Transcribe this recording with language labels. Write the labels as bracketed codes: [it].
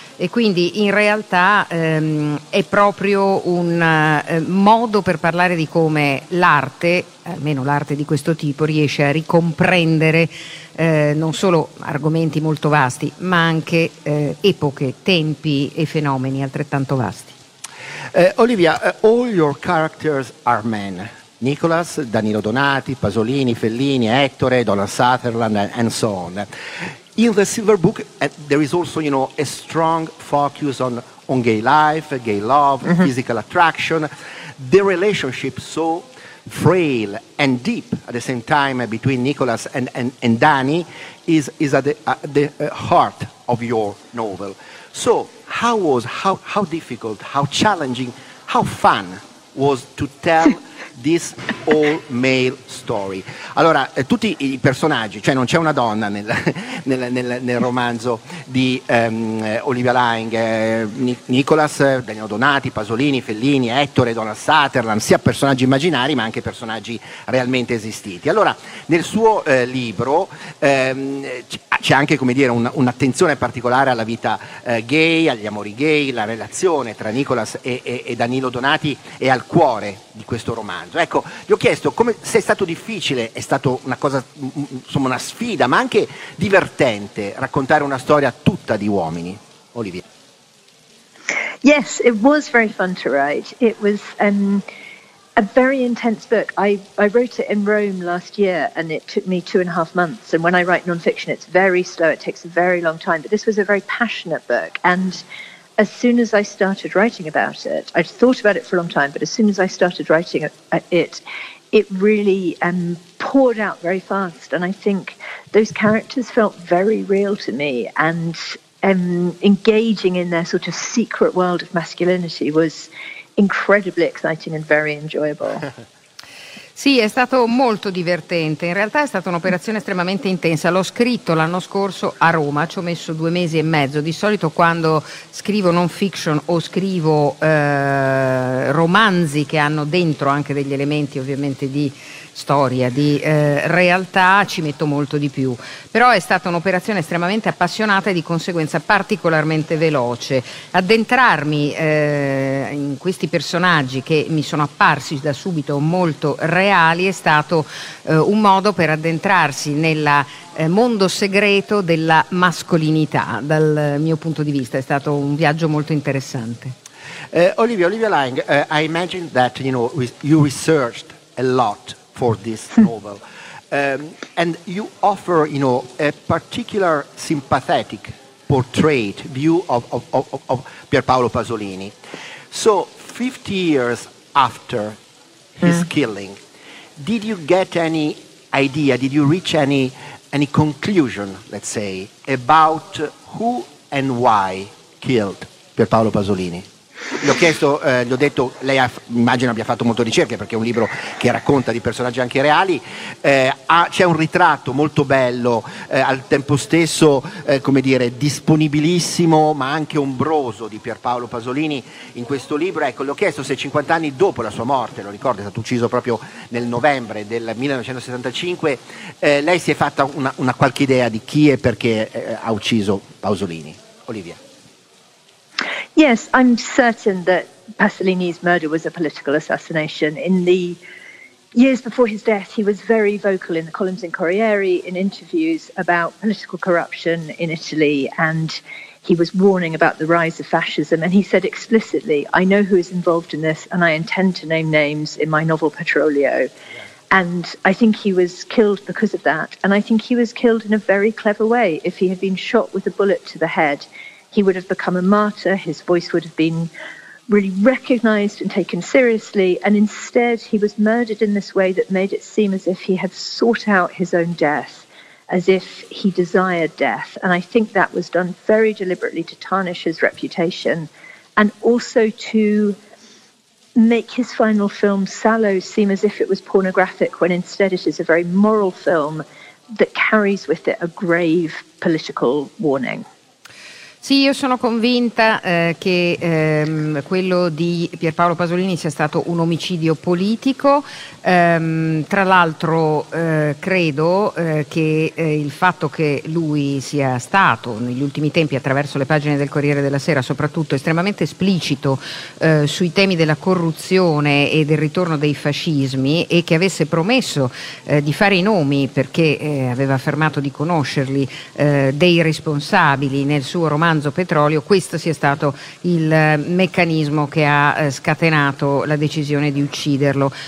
[it] E quindi in realtà è proprio un modo per parlare di come l'arte almeno l'arte di questo tipo, riesce a ricomprendere non solo argomenti molto vasti, ma anche epoche, tempi e fenomeni altrettanto vasti. [en] Olivia, all your characters are men. Nicholas, Danilo Donati, Pasolini, Fellini, Ettore, Donald Sutherland, and so on. In the Silver Book, there is also, you know, a strong focus on gay life, gay love, mm-hmm. physical attraction. The relationship so frail and deep at the same time between Nicholas and Danny is at the heart of your novel. So how was, how difficult, how challenging, how fun was to tell this all male story? [it] Allora, tutti i personaggi, cioè non c'è una donna nel romanzo di Olivia Lange, Nicholas, Danilo Donati, Pasolini, Fellini, Ettore, Donald Sutherland, sia personaggi immaginari ma anche personaggi realmente esistiti. Allora, nel suo libro c'è anche, come dire, un'attenzione particolare alla vita gay, agli amori gay, la relazione tra Nicholas e Danilo Donati è al cuore di questo romanzo. Ecco, gli ho chiesto come, se è stato difficile, è stato una cosa, insomma, una sfida, ma anche divertente raccontare una storia tutta di uomini. Olivia. [en] Yes, it was very fun to write. It was a very intense book. I wrote it in Rome last year and it took me 2.5 months. And when I write nonfiction, it's very slow. It takes a very long time. But this was a very passionate book. And as soon as I started writing about it, I'd thought about it for a long time, but as soon as I started writing it really poured out very fast. And I think those characters felt very real to me, and engaging in their sort of secret world of masculinity was incredibly exciting and very enjoyable. [it] Sì, è stato molto divertente. In realtà è stata un'operazione estremamente intensa. L'ho scritto l'anno scorso a Roma, ci ho messo 2 mesi e mezzo. Di solito quando scrivo non fiction o scrivo romanzi che hanno dentro anche degli elementi ovviamente di storia, di realtà, ci metto molto di più. Però è stata un'operazione estremamente appassionata e di conseguenza particolarmente veloce. Addentrarmi in questi personaggi che mi sono apparsi da subito molto reali è stato un modo per addentrarsi nel mondo segreto della mascolinità. Dal mio punto di vista è stato un viaggio molto interessante. [en] Olivia Lange, I imagine that, you know, you researched a lot for this novel, and you offer, you know, a particular sympathetic portrait view of Pierpaolo Pasolini. So 50 years after his killing, did you get any idea, did you reach any conclusion, let's say, about who and why killed Pierpaolo Pasolini? [it] L'ho chiesto, gli ho detto, lei immagino abbia fatto molto ricerche perché è un libro che racconta di personaggi anche reali, c'è un ritratto molto bello, al tempo stesso, come dire, disponibilissimo ma anche ombroso di Pierpaolo Pasolini in questo libro. Ecco, le ho chiesto se 50 anni dopo la sua morte, lo ricordo, è stato ucciso proprio nel novembre del 1975, lei si è fatta una qualche idea di chi e perché ha ucciso Pasolini. Olivia. [en] Yes, I'm certain that Pasolini's murder was a political assassination. In the years before his death, he was very vocal in the columns in Corriere, in interviews about political corruption in Italy, and he was warning about the rise of fascism. And he said explicitly, I know who is involved in this, and I intend to name names in my novel Petrolio. Yeah. And I think he was killed because of that. And I think he was killed in a very clever way. If he had been shot with a bullet to the head, he would have become a martyr, his voice would have been really recognized and taken seriously, and instead he was murdered in this way that made it seem as if he had sought out his own death, as if he desired death. And I think that was done very deliberately to tarnish his reputation and also to make his final film, Sallow, seem as if it was pornographic, when instead it is a very moral film that carries with it a grave political warning. [it] Sì, io sono convinta che quello di Pierpaolo Pasolini sia stato un omicidio politico. Tra l'altro credo che il fatto che lui sia stato negli ultimi tempi, attraverso le pagine del Corriere della Sera soprattutto, estremamente esplicito sui temi della corruzione e del ritorno dei fascismi, e che avesse promesso di fare i nomi, perché aveva affermato di conoscerli, dei responsabili nel suo romanzo Petrolio, questo sia stato il meccanismo che ha scatenato la decisione di ucciderlo.